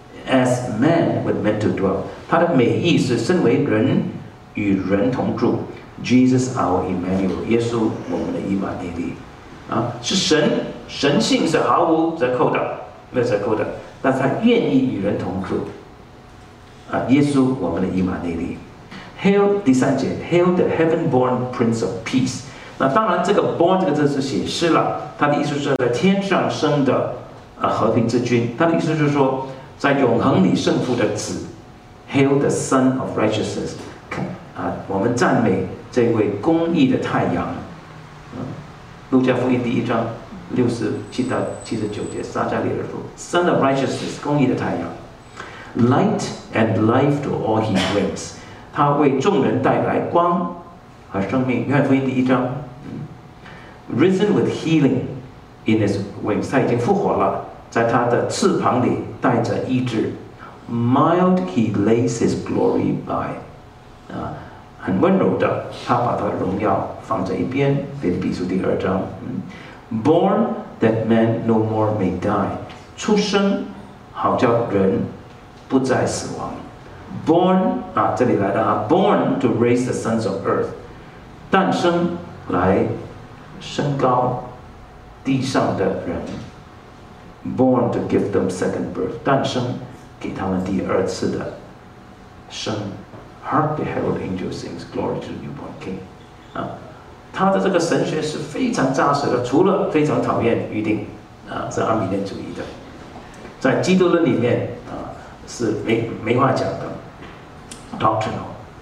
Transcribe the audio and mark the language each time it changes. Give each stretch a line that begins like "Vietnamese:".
English: as man was meant to dwell.
Chinese: 它的美意是身为人与人同住。
English: Jesus our Emmanuel,
Chinese: 耶稣我们的以马内利。是神，神性是毫无折扣的，没有折扣的，但是他愿意与人同住。耶稣我们的以马内利。
English: Hail,
Chinese: 第三节
English: ,Hail the heaven-born prince of peace.
Chinese: 那当然这个 born 这个字是写诗了，他的意思是在天上生的、和平之君，他的意思是说在永恒里胜负的子。
English: Hail the son of righteousness、
Chinese: 我们赞美这位公义的太阳。路加福音第一章67到79节，撒加利亚书
English: Son of righteousness,
Chinese: 公义的太阳。
English: Light and life to all he brings,
Chinese: 他为众人带来光和生命。约翰福音第一章
English: Risen with healing in his wings,
Chinese: 他已经复活了，在他的翅膀里带着医治。
English: Mild he lays his glory by,
Chinese: 很温柔的，他把他的荣耀放在一边。腓立比书第二章。
English: Born that man no more may die,
Chinese: 出生好叫人不再死亡。
English: Born 啊，
Chinese: 这里来的啊
English: ，Born to raise the sons of earth,
Chinese: 诞生来。升高地上的人
English: born to give them second birth,
Chinese: 诞生给他们第二次的生。
English: Hark the herald angel sings, glory to the newborn king.
Chinese: 他的这个神学是非常扎实的，除了非常讨厌预定、是阿米念主义的，在基督论里面、是 没话讲的 doctrinal。